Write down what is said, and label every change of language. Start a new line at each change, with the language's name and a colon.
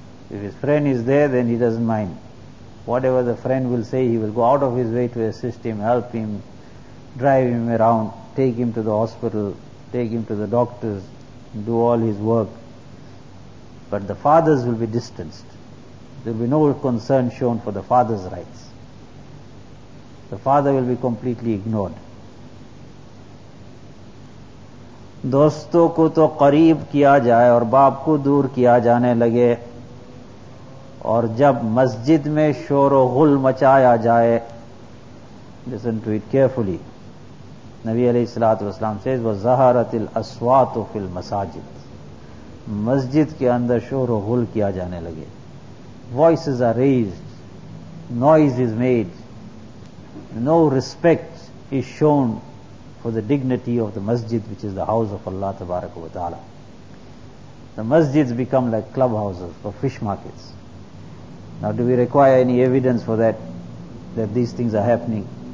English: If his friend is there, then he doesn't mind. Whatever the friend will say, he will go out of his way to assist him, help him, drive him around, take him to the hospital, take him to the doctors, do all his work. But the fathers will be distanced. There will be no concern shown for the father's rights. The father will be completely ignored.
Urdu: دوستوں کو تو قریب کیا جائے اور باپ کو دور کیا جانے لگے, اور جب مسجد میں شور و غل مچایا جائے,
English: Listen to it carefully. Nabi alayhi salatu wasalam says,
Arabic: وَزَهَرَتِ الْأَصْوَاتُ فِي الْمَسَاجِدِ
Urdu: مسجد کے اندر شور و غل کیا جانے لگے.
English: Voices are raised, noise is made, no respect is shown for the dignity of the masjid, which is the house of Allah tabaraka wa ta'ala. The masjids become like clubhouses for fish markets. Now, do we require any evidence for that these things are happening?